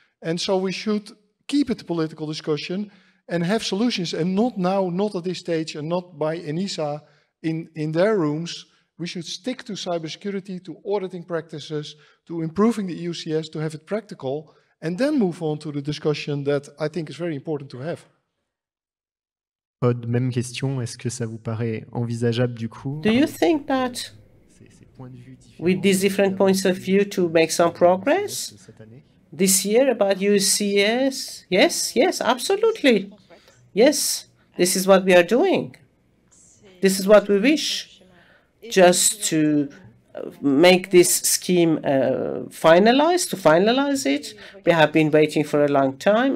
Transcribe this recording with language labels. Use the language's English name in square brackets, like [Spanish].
[English] And so we should keep it a political discussion and have solutions, and not now, not at this stage, and not by ENISA in their rooms. We should stick to cybersecurity, to auditing practices, to improving the EUCS, to have it practical, and then move on to the discussion that I think is very important to have. [French] Odd, même question, est-ce que ça vous paraît envisageable du coup? [English] Do you think that with these different points of view to make some progress this year about EUCS? Yes, yes, absolutely. Yes, this is what we are doing. This is what we wish. Just to make this scheme finalized, we have been waiting for a long time.